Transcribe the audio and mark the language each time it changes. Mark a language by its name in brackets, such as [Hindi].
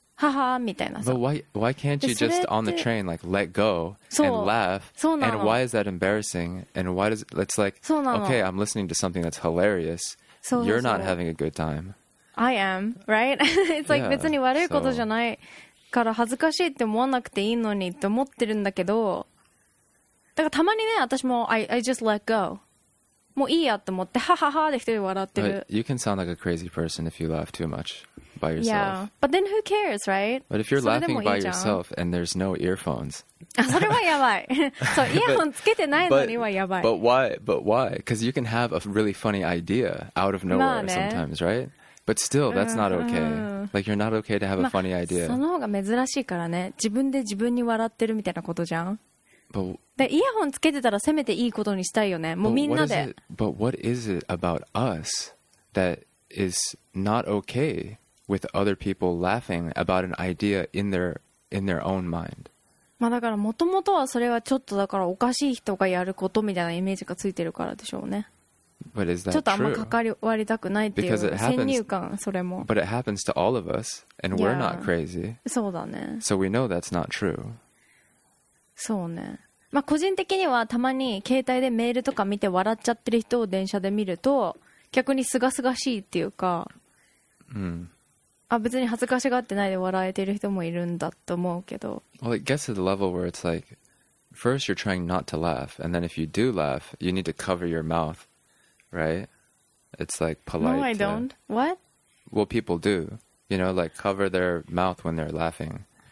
[Japanese] ははみたいなさ。 [English] But why can't you just on the train like let go and laugh? [Japanese] そうなの。 [English] And why is that embarrassing? And why does it's like okay, I'm listening to something that's hilarious. [Japanese] そうそう。 [English] You're not having a good time. I am, right? it's like yeah, [Japanese] 別に悪いことじゃないから恥ずかしいって思わなくていいのにって思ってるんだけど、だからたまにね、私も [English] I just let go. [Japanese] もういいやと思ってハハハで一人笑ってる。 [English] You can sound like a crazy person if you laugh too much by yourself. Yeah, but then who cares, right? But if you're laughing by yourself and there's no earphones, [Japanese] それはやばい。そう、イヤホンつけてないのにはやばい。 [English] But why? Because you can have a really funny idea out of nowhere sometimes, right? But still, that's not okay. Like you're not okay to have a funny idea. [Japanese] その方が珍しいからね。自分で自分に笑ってるみたいなことじゃん。 [English] But, [Japanese] イヤホンつけてたらせめていいことにしたいよね。もうみんなで。 [English] But what is it about us that is not okay with other people laughing about an idea in their own mind? [Japanese] まあだからもともとはそれはちょっとだからおかしい人がやることみたいなイメージがついてるからでしょうね。 [English] But is that [Japanese] ちょっとあんま関わりたくないっていう先入観それも。 [English] But it happens to all of us and we're not crazy. [Japanese] そうだね。 [English] So we know that's not true. [Japanese] そうね。まあ個人的にはたまに携帯でメールとか見て笑っちゃってる人を電車で見ると逆にすがすがしいっていうか、うん。あ、別に恥ずかしがってないで笑えてる人もいるんだと思うけど。 [English] Well, it gets to the level where it's like, first you're trying not to laugh, and then if you do laugh, you need to cover your mouth, right? It's like polite. No, I don't. What? what people do, you know, like cover their mouth when they're laughing.